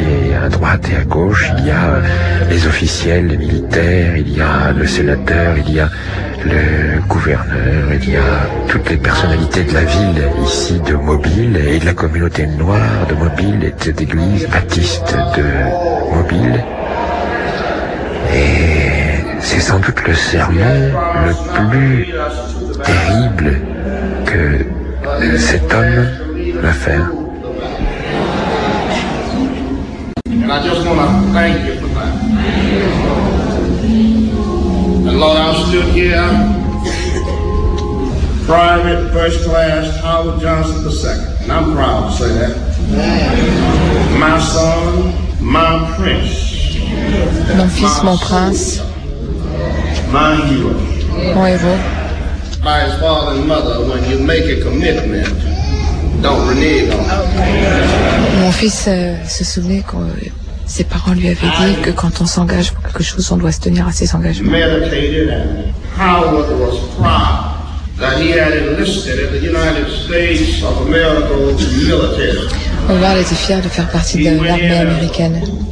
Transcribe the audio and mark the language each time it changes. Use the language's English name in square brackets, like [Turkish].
[French] Et à droite et à gauche, il y a les officiels, les militaires, il y a le sénateur, il y a le gouverneur, il y a toutes les personnalités de la ville ici de Mobile et de la communauté noire de Mobile et de cette église baptiste de Mobile. Et c'est sans doute le sermon le plus terrible que cet homme va faire. [English] And Lord, I'm still here, private, first class, Howard Johnson II. And I'm proud to say that. My son, my prince. [French] Mon fils, mon prince. [English] My hero. [French] Mon héros. [English] By his father and mother, when you make a commitment, [French] Non, René, non. Mon fils se souvenait que ses parents lui avaient dit que quand on s'engage pour quelque chose, on doit se tenir à ses engagements. Howard était fier de faire partie de l'armée américaine.